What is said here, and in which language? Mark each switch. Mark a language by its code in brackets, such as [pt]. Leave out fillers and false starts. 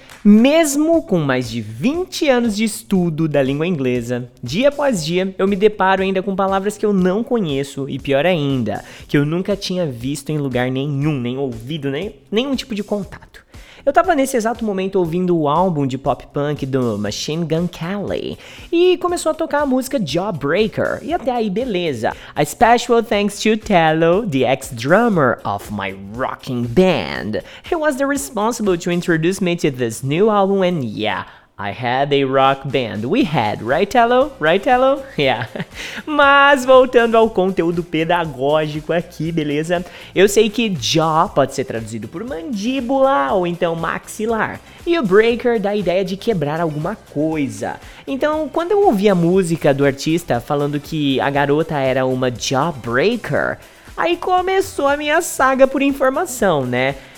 [pt] Mesmo com mais de 20 anos de estudo da língua inglesa, dia após dia eu me deparo ainda com palavras que eu não conheço e, pior ainda, que eu nunca tinha visto em lugar nenhum, nem ouvido, nem nenhum tipo de contato. Eu tava nesse exato momento ouvindo o álbum de pop punk do Machine Gun Kelly e começou a tocar a música Jawbreaker, e até aí beleza. [en] A special thanks to Tello, the ex-drummer of my rocking band. He was the responsible to introduce me to this new album and yeah, I had a rock band. We had, right Tello? Right Tello? Yeah. [pt] Mas voltando ao conteúdo pedagógico aqui, beleza? Eu sei que jaw pode ser traduzido por mandíbula ou então maxilar. E o breaker dá a ideia de quebrar alguma coisa. Então, quando eu ouvi a música do artista falando que a garota era uma jawbreaker, aí começou a minha saga por informação, né?